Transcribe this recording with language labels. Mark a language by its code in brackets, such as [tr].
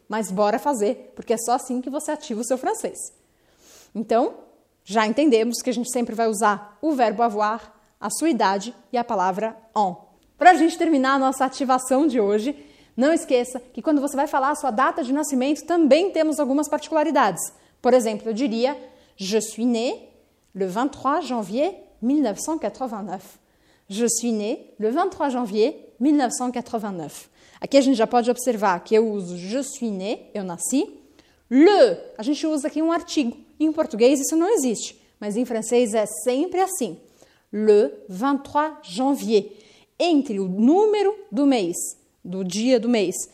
[pt] Mas bora fazer, porque é só assim que você ativa o seu francês. Então, já entendemos que a gente sempre vai usar o verbo avoir, a sua idade e a palavra on. Para a gente terminar a nossa ativação de hoje, não esqueça que quando você vai falar a sua data de nascimento, também temos algumas particularidades. Por exemplo, eu diria: [fr] Je suis né le 23 janvier 1989. Je suis né le 23 janvier 1989. [pt] Aqui a gente já pode observar que eu uso [fr] je suis né, [pt] eu nasci. Le, a gente usa aqui um artigo. Em português isso não existe, mas em francês é sempre assim: [fr] le 23 janvier. [pt] Entre o número do mês, do dia do mês.